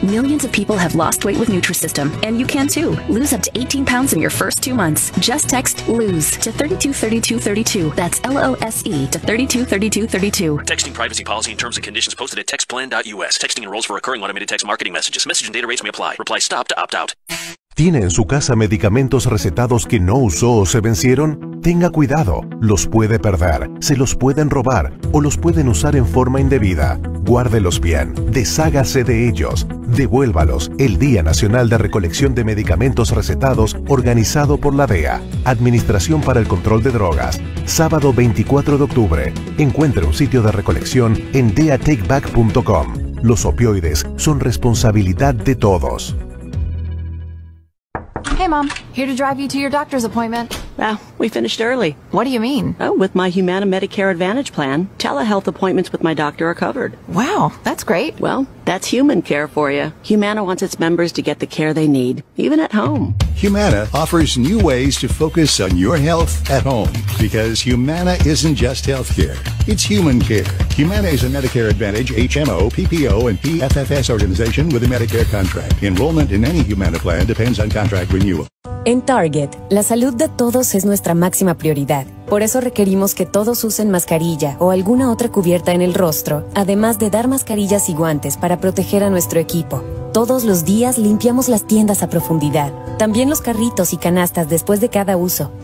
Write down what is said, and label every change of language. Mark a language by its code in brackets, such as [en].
[en] Millions of people have lost weight with Nutrisystem, and you can too. Lose up to 18 pounds in your first 2 months. Just text LOSE to 323232. That's LOSE to 323232. Texting privacy policy and terms and conditions posted at textplan.us. Texting enrolls for recurring automated text marketing messages. Message and data rates may apply. Reply stop to opt out. [es] ¿Tiene en su casa medicamentos recetados que no usó o se vencieron? Tenga cuidado, los puede perder, se los pueden robar o los pueden usar en forma indebida. Guárdelos bien, deshágase de ellos, devuélvalos. El Día Nacional de Recolección de Medicamentos Recetados, organizado por la DEA, Administración para el Control de Drogas, sábado 24 de octubre. Encuentre un sitio de recolección en deatakeback.com. Los opioides son responsabilidad de todos. [en] Hey, Mom, here to drive you to your doctor's appointment. Well, We finished early. What do you mean? Oh, with my Humana Medicare Advantage plan, telehealth appointments with my doctor are covered. Wow, that's great. Well, that's human care for you. Humana wants its members to get the care they need, even at home. Humana offers new ways to focus on your health at home, because Humana isn't just health care. It's human care. Humana is a Medicare Advantage HMO, PPO, and PFFS organization with a Medicare contract. Enrollment in any Humana plan depends on contract renewal. [es] En Target, la salud de todos es nuestra máxima prioridad. Por eso requerimos que todos usen mascarilla o alguna otra cubierta en el rostro, además de dar mascarillas y guantes para proteger a nuestro equipo. Todos los días limpiamos las tiendas a profundidad, también los carritos y canastas después de cada uso.